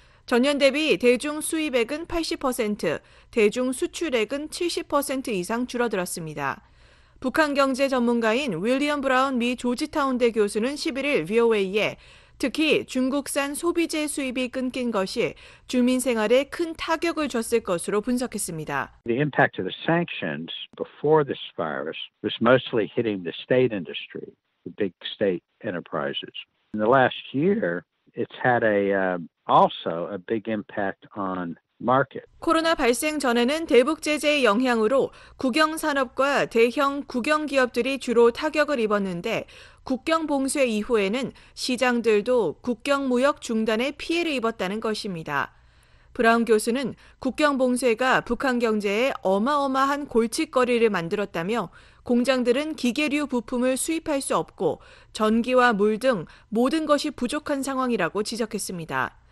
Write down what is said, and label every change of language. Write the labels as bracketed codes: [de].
[ko] 전년 대비 대중 수입액은 80%, 대중 수출액은 70% 이상 줄어들었습니다. 북한 경제 전문가인 윌리엄 브라운 미 조지타운대 교수는 11일 VOA에 특히 중국산 소비재 수입이 끊긴 것이 주민 생활에 큰 타격을 줬을 것으로 분석했습니다. [en] The impact of the sanctions before this virus was mostly hitting the state industry, the big state enterprises. In the last year, it's had also a big impact on market. [ko] 코로나 발생 전에는 대북 제재의 영향으로 국영 산업과 대형 국영 기업들이 주로 타격을 입었는데 국경 봉쇄 이후에는 시장들도 국경 무역 중단에 피해를 입었다는 것입니다. 브라운 교수는 국경 봉쇄가 북한 경제에 어마어마한 골칫거리를 만들었다며 공장들은 기계류 부품을 수입할 수 없고 전기와 물 등 모든 것이 부족한 상황이라고 지적했습니다.